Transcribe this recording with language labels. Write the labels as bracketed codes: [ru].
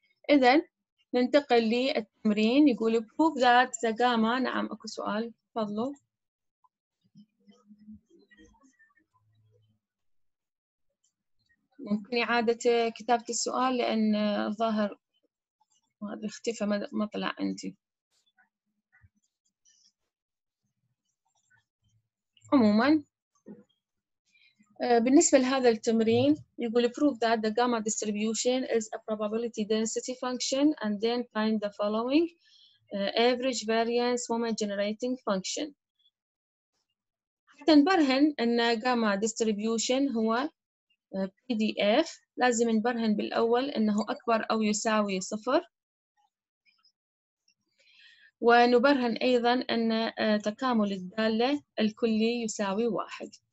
[ar] إذا ننتقل للتمرين، يقول [en] prove that the gamma، [ar] نعم أكو سؤال فضله. ممكن إعادة كتابة السؤال لأن ظاهر هذا اختفى ما طلع عندي. عموما بالنسبة لهذا التمرين يقول [en] prove that the gamma distribution is a probability density function and then find the following average variance moment generating function. [ar] حتى نبرهن أن gamma distribution هو PDF لازم نبرهن بالأول أنه أكبر أو يساوي صفر، ونبرهن أيضا أن تكامل الدالة الكلي يساوي واحد.